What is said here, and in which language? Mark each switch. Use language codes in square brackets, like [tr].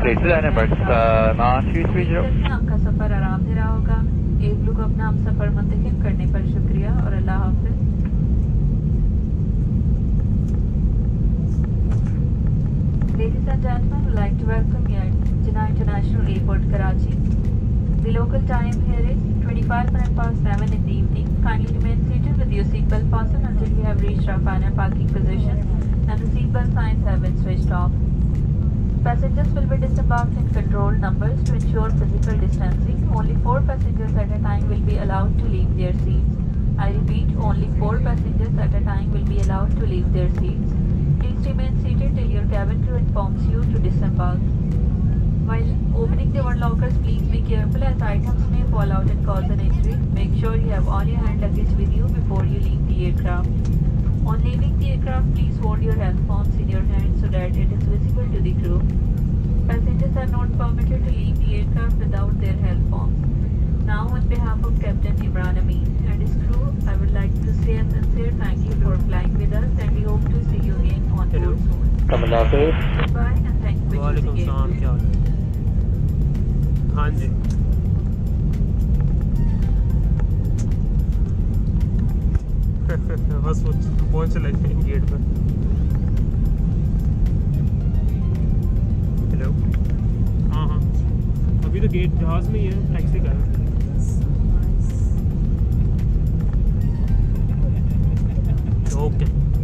[en] please land emergency 9230 [ur] کا سفر آرام دہ رہا ہوگا ایبلو کو اپنا سفر منتخب کرنے پر شکریہ اور اللہ حافظ [en] Ladies and gentlemen, we'd like to welcome you at Jinnah International Airport, Karachi. The local time here is 7:25 in the evening. Kindly remain seated with your seatbelt fastened until we have reached our final parking position and the seatbelt signs have been switched off. Passengers will be disembarked in control numbers to ensure physical distancing. Only 4 passengers at a time will be allowed to leave their seats. I repeat, only 4 passengers at a time will be allowed to leave their seats. Remain seated till your cabin crew informs you to disembark. While opening the one lockers, please be careful as items may fall out and cause an injury. Make sure you have all your hand luggage with you before you leave the aircraft. On leaving the aircraft, please hold your health forms in your hand so that it is visible to the crew. Passengers are not permitted to leave the aircraft without their health forms. Now, on behalf of Captain Imran Amin and his crew, I would like to say a sincere thank you for flying with us and we hope to see you again. [ur] وعلیکم السلام کیا حال ہے ہاں جی بس پہنچ لے get پہ ہیلو ہاں ہاں ابھی تو گیٹ جہاز میں ہی ہے ٹیکسی کا اوکے